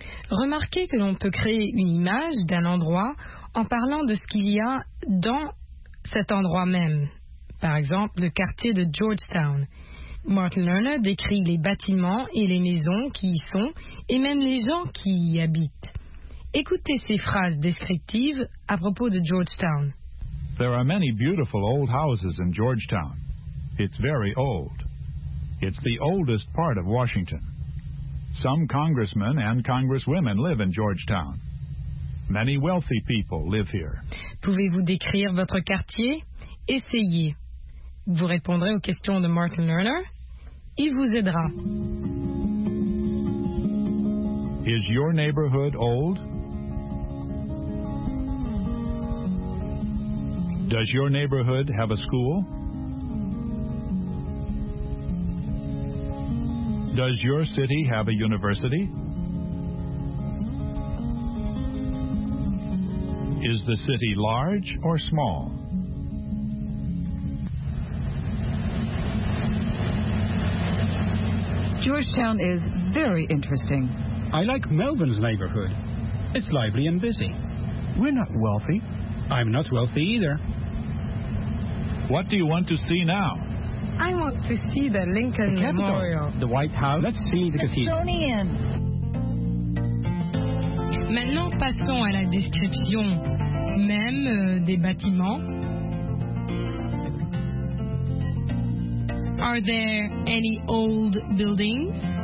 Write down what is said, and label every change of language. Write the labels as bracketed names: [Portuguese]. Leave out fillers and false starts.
[French] Remarquez que l'on peut créer une image d'un endroit en parlant de ce qu'il y a dans cet endroit même. Par exemple, le quartier de Georgetown. Martin Lerner décrit les bâtiments et les maisons qui y sont et même les gens qui y habitent. Écoutez ces phrases descriptives à propos de Georgetown. [English] There are many beautiful old houses in Georgetown. It's very old. It's the oldest part of Washington. Some congressmen and congresswomen live in Georgetown. Many wealthy people live here. [French] Pouvez-vous décrire votre quartier? Essayez. Vous répondrez aux questions de Martin Lerner. Il vous aidera. [English] Is your neighborhood old? Does your neighborhood have a school? Does your city have a university? Is the city large or small? Georgetown is very interesting. I like Melvin's neighborhood. It's lively and busy. We're not wealthy. I'm not wealthy either. What do you want to see now? I want to see the Lincoln Memorial. The White House. Let's see the Smithsonian. [French] Maintenant, passons à la description même des bâtiments. [English] Are there any old buildings?